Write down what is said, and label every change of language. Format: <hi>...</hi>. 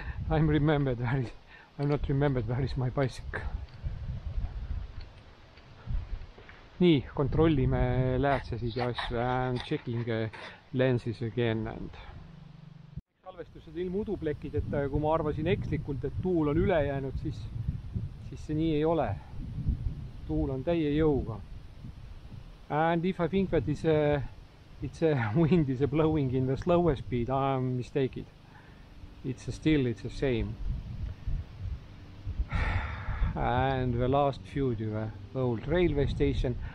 <en>I'm remembered where is, I'm not remembered where is my bicycle.</en> <et>Nii, kontrollime läätsesid ja asju</et> <en>and checking lenses again</en> <et>and salvestused ilma uduplekideta ja kui ma arvasin ekslikult, et tuul on üle jäänud, siis siis see nii ei ole. Tuul on täie jõuga.</et> <en>And if I think that it's a wind is a blowing in the slower speed, I am mistaken. It's the same. And the last few to the old railway station.</en>